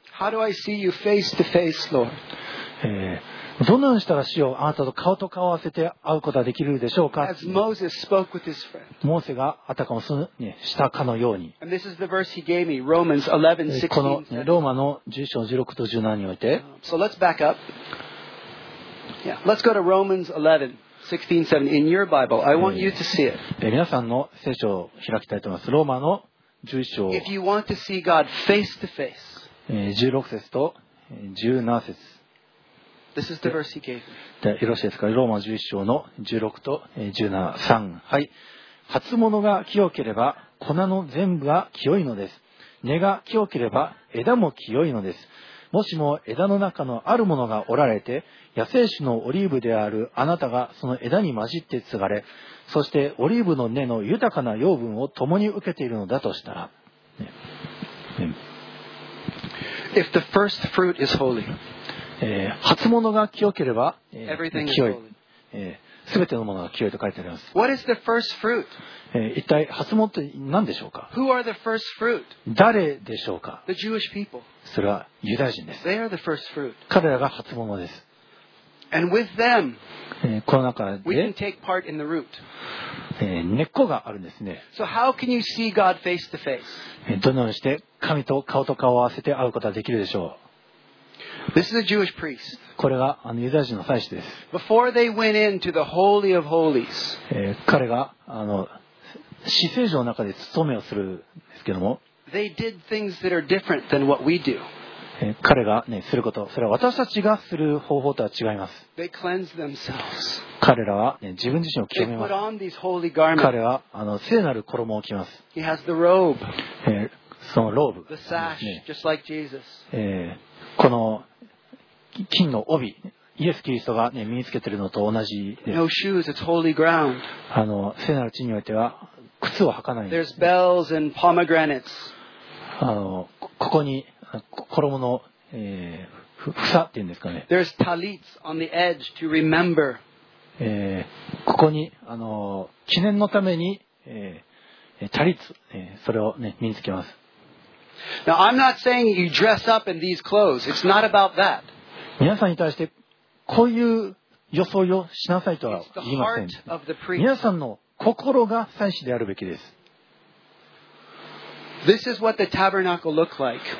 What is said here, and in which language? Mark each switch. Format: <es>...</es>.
<en>How do I see you face to face, Lord?</en> <ja>どのようにしたら主をあなたと顔と顔を合わせて会うことができるでしょうか。</ja> <en>As Moses spoke with his friend.</en> <ja>モーセがあたかもしたかのように。</ja> <en>And this is the verse he gave me, Romans 11, 16.</en> <ja>このローマの11章16と17において。</ja> <en>So let's back up. Yeah, let's go to Romans 11:16-17 in your Bible. I want you to see it.</en> <ja>皆さんの聖書を開きたいと思います。ローマの11章。</ja> <en>If you want to see God face to face.</en> <ja>16節と17節。</ja> <en>This is the verse he gave.</en> <ja>でよろしいですか。ローマ11章の16と17、3、はい。初物が清ければ粉の全部は清いのです。根が清ければ枝も清いのです。もしも枝の中のあるものが折られて、野生種のオリーブであるあなたがその枝に混じって継がれ、そしてオリーブの根の豊かな養分を共に受けているのだとしたら、</ja> <en>ね、If the first fruit is holy.</en> <ja>初物が清ければ、清い、全てのものが清いと書いてあります。</ja> <en>What is the first fruit?</en> <ja>一体初物って何でしょうか。</ja> <en>Who are the first fruit?</en> <ja>誰でしょうか。</ja> <en>The Jewish people.</en> <ja>それはユダヤ人です。</ja> <en>They are the first fruit.</en> <ja>彼らが初物です。</ja> <en>And with them,</en> <ja>この中で</ja> <en>we can take part in the root.</en> <ja>根っこがあるんですね。</ja> <en>So how can you see God face to face?</en> <ja>どのようにして神と顔と顔を合わせて会うことができるでしょう。</ja> <en>This is a Jewish priest.</en> <ja>これがユダヤ人の祭司です。</ja> <en>Before they went into the Holy of Holies,</en> <ja>彼が至聖所の中で務めをするんですけども、</ja> <en>they did things that are different than what we do.</en> <ja>彼が、ね、すること、それは私たちがする方法とは違います。</ja> <en>They cleansed themselves.</en> <ja>彼らは、ね、自分自身を清めます。</ja> <en>They put on these holy garments.</en> <ja>彼は聖なる衣を着ます。</ja> <en>He has the robe.</en> <ja>そのローブ。</ja> <en>The sash, just like Jesus.</en> <ja>この金の帯、イエス・キリストが、ね、身につけているのと同じです。</ja> <en>No shoes, it's holy ground.</en> <ja>聖なる地においては靴を履かないんです。</ja> <en>There's bells and pomegranates.</en> <ja>ここに衣の、ふさっていうんですかね。</ja> <en>There's talits on the edge to remember.</en> <ja>ここに記念のために、タリツ、それを、ね、身につけます。</ja> <en>Now, I'm not saying you dress up in these clothes. It's not about that.</en> <ja>皆さんに対してこういう装いをしなさいとは言いません。皆さんの心が祭司であるべきです。</ja> <en>This is what the tabernacle looked like.</en>